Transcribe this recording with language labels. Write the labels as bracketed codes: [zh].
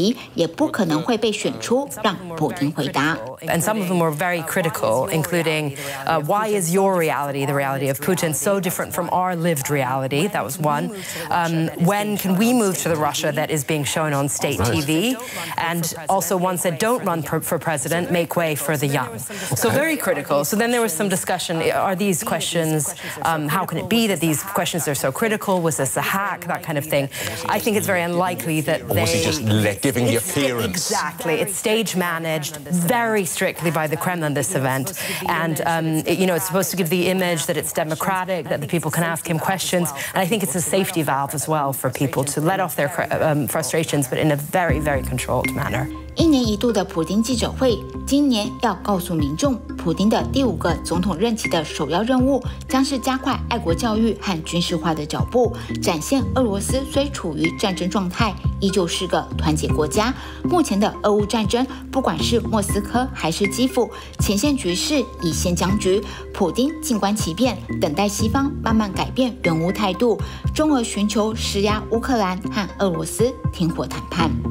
[zh] 这场年终活动经过精心设计，纵使开放外国记者进入，也不会有被点名提问的机会。克里姆林宫还觉得有必要展示政府接受批评的声音。在普丁身后的大荧幕上，播放民众的即时问题时，出现多个辛辣的质问，抨击普丁政权。但同样，这些问题也不可能会被选出让普丁回答。 [en] And some of them were very critical, including why is your reality, the reality of Putin, so different from our lived reality? That was one. When can we move to the Russia that is being shown on state TV? And also one said, don't run for president, make way for the young. So very critical. So then there was some discussion, are these questions, how can it be that these questions are so critical? Was this a hack, that kind of thing? I think it's very unlikely that they... Or was he just giving the appearance? Exactly, it's stage managed, very strictly by the Kremlin, this event. And, you know, it's supposed to give the image that it's democratic, that the people can ask him questions. And I think it's a safety valve as well for people to let off their frustrations, but in a very, very controlled manner. [zh] 一年一度的普丁记者会，今年要告诉民众，普丁的第五个总统任期的首要任务将是加快爱国教育和军事化的脚步，展现俄罗斯虽处于战争状态，依旧是个团结国家。目前的俄乌战争，不管是莫斯科还是基辅，前线局势已现僵局，普丁静观其变，等待西方慢慢改变援乌态度，中俄寻求施压乌克兰和俄罗斯停火谈判。